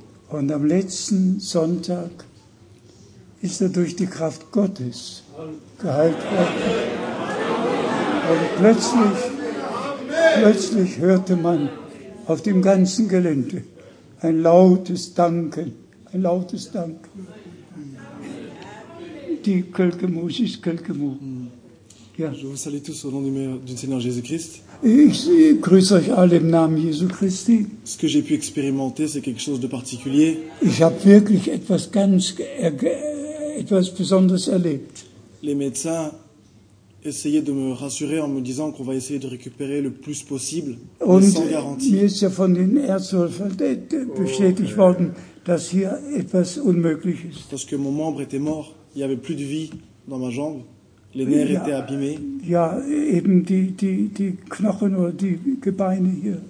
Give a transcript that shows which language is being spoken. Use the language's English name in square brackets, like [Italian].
[German] Und am letzten Sonntag ist er durch die Kraft Gottes geheilt worden. Und plötzlich hörte man auf dem ganzen Gelände ein lautes Danken, ein lautes Danken. Ja. [French] Je vous salue tous au nom du Seigneur Jésus-Christ. [German] Grüße euch alle im Namen Jesu Christi. [French] Ce que j'ai pu expérimenter, c'est quelque chose de particulier. [German] Ich habe wirklich etwas ganz etwas Besonderes erlebt. [French] Les médecins essayé de me rassurer en me disant qu'on va essayer de récupérer le plus possible, mais sans garantie. [German] Mir ist ja von den Erzhöfen bestätigt worden, dass hier etwas unmöglich ist. [French] Parce que mon membre était mort, il n'y avait plus de vie dans ma jambe, les nerfs étaient abîmés. [German] Ja, eben die Knochen oder die Gebeine hier.